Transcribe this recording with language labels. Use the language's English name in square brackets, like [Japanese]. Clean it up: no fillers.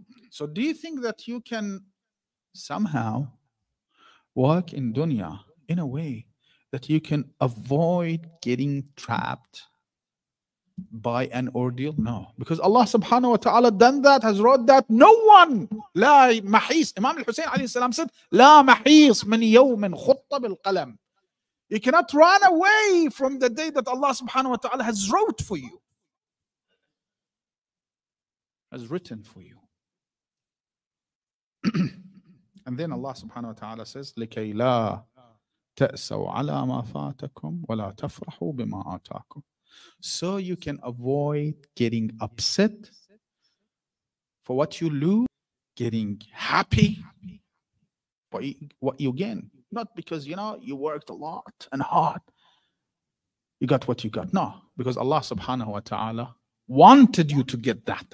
[English] So do you think that you can somehow work in dunya in a way that you can avoid getting trapped by an ordeal? No. Because Allah subhanahu wa ta'ala done that, has wrote that. No one. [Arabic] لا محيص. [English] Imam al-Husayn alayhi salam said, [Arabic] لا محيص من يوم خط بالقلم. [English] You cannot run away from the day that Allah subhanahu wa ta'ala has wrote for you. Has written for you. And then Allah subhanahu wa ta'ala says, [Arabic] لِكَيْ لَا تَأْسَوْ عَلَى مَا فَاتَكُمْ وَلَا تَفْرَحُوا بِمَا آتَاكُمْ. [English] So you can avoid getting upset for what you lose, getting happy for what you gain. Not because, you know, you worked a lot and hard, you got what you got. No, because Allah subhanahu wa ta'ala wanted you to get that.